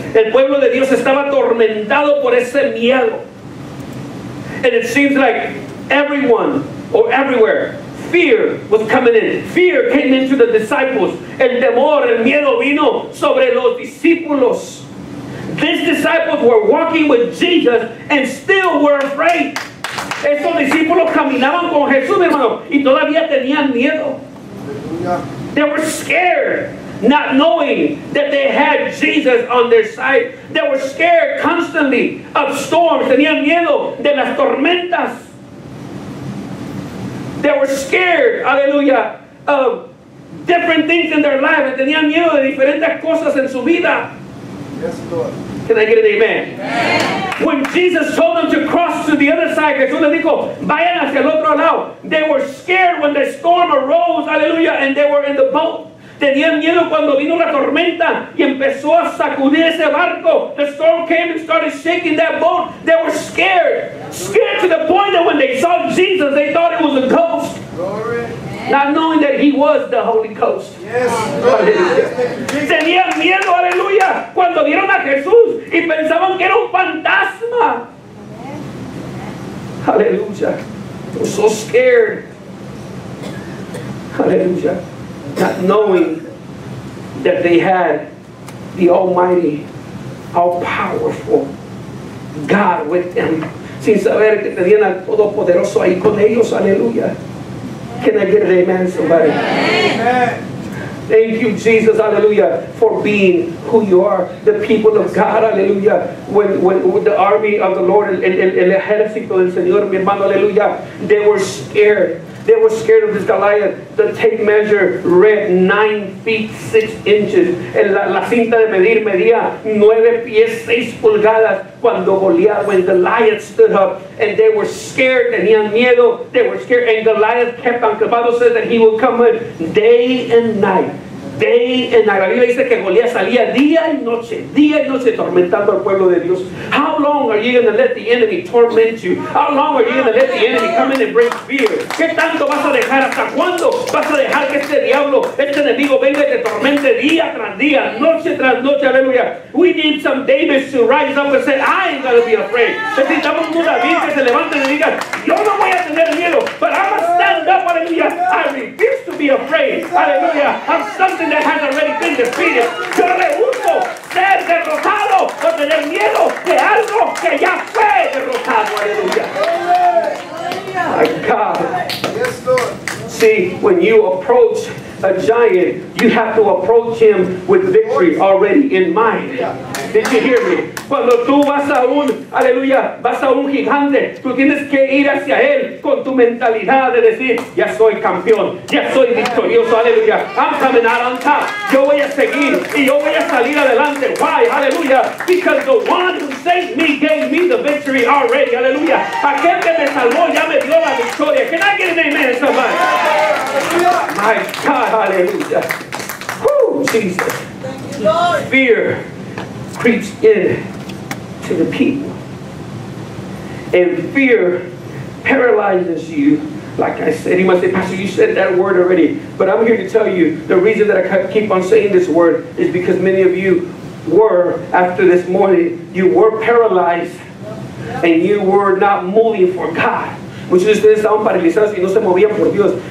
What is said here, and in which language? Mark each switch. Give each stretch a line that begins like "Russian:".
Spanish: El pueblo de Dios estaba atormentado por ese miedo.
English: And it seems like everyone or everywhere, fear was coming in. Fear came into the disciples.
Spanish: El temor, el miedo vino sobre los discípulos.
English: These disciples were walking with Jesus and still were afraid.
Spanish: Estos discípulos caminaban con Jesús, mi hermano, y todavía tenían miedo.
English: They were scared, not knowing that they had Jesus on their side. They were scared constantly of storms.
Spanish: Tenían miedo de las tormentas.
English: They were scared, aleluya, of different things in their life.
Spanish: Tenían miedo de diferentes cosas en su vida.
English: Yes, Lord. Can I get an amen? Amen. When Jesus told them to cross to the other side,
Spanish: Jesús les dijo, vayan hacia el otro lado.
English: They were scared when the storm arose, aleluya, and they were in the boat. Tenían miedo cuando vino la tormenta y empezó a sacudir ese barco. The storm came and started shaking that boat. They were scared. Scared to the point that when they saw Jesus, they thought it was a ghost. Glory. Not knowing that he was the Holy Ghost. Yes.
Spanish: Tenían miedo, aleluya, cuando vieron a Jesús y pensaban que era un fantasma.
English: Aleluya. They were so scared. Aleluya. Not knowing that they had the Almighty, all-powerful God with them.
Spanish: Sin saber que tenían al Todopoderoso ahí con ellos, aleluya.
English: Can I get an amen, somebody? Amen. Thank you, Jesus, hallelujah, for being who you are. The people of God, hallelujah, when the army of the Lord,
Spanish: el ejército del Señor, mi hermano,
English: hallelujah, they were scared. They were scared of this Goliath. The tape measure read 9 feet 6 inches.
Spanish: La cinta de medir medía 9 pies 6 pulgadas cuando Goliath,
English: when Goliath stood up. And they were scared.
Spanish: Tenían miedo.
English: They were scared. And Goliath kept on. The Bible says that he would come in day and night. Day and night.
Spanish: La Biblia dice que Goliath salía día y noche, tormentando al pueblo de Dios.
English: How long are you going to let the enemy torment you? How long are you going to let the enemy come in and bring fear?
Spanish: ¿Qué tanto vas a dejar? ¿Hasta cuándo vas a dejar que este diablo, este enemigo, venga y te tormente día tras día, noche tras noche?
English: Aleluya. We need some David to rise up and say, I ain't going to be afraid.
Spanish: Necesitamos un David que se levante y diga, yo no voy a tener miedo,
English: but I'm going to stand up,
Spanish: aleluya.
English: I refuse to be afraid. Aleluya. I'm something that has already been defeated.
Spanish: Yo rehuso ser derrotado o tener miedo de algo que ya fue derrotado.
English: Aleluya. My God. Yes, Lord. See, when you approach a giant, you have to approach him with victory already in mind. Did you hear me?
Spanish: Cuando tú vas a un, aleluya, vas a un gigante, tú tienes que ir hacia él con tu mentalidad de decir, ya soy campeón, ya soy victorioso, aleluya.
English: I'm coming out on top.
Spanish: Yo voy a seguir y yo voy a salir adelante.
English: Why? Aleluya. Because the one who saved me gave me the victory already, aleluya.
Spanish: Aquel que me salvó ya me dio la victoria.
English: Can I get an amen, somebody? My God, hallelujah. Woo, Jesus. Thank you, Lord. Fear creeps in to the people. And fear paralyzes you, like I said. You must say, Pastor, you said that word already. But I'm here to tell you, the reason that I keep on saying this word is because many of you were, after this morning, you were paralyzed. And you were not moving for God.
Spanish: Muchos de ustedes estaban paralizados y no se movían por Dios.